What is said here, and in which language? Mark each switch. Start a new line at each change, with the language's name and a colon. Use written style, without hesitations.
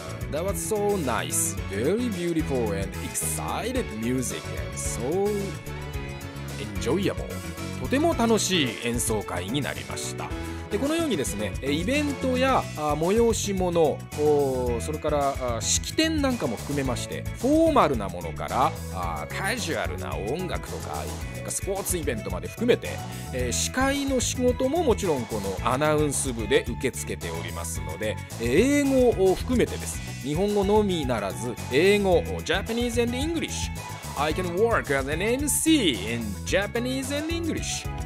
English: That was so nice. Very beautiful and excited music and so enjoyable.
Japanese: とても楽しい演奏会になりました。でこのようにですね、イベントや催し物、それから式典なんかも含めまして、フォーマルなものからカジュアルな音楽とか、スポーツイベントまで含めて、司会の仕事ももちろんこのアナウンス部で受け付けておりますので、英語を含めてです。日本語のみならず、英語、
English: Japanese and English。 I can work as an MC in Japanese and English.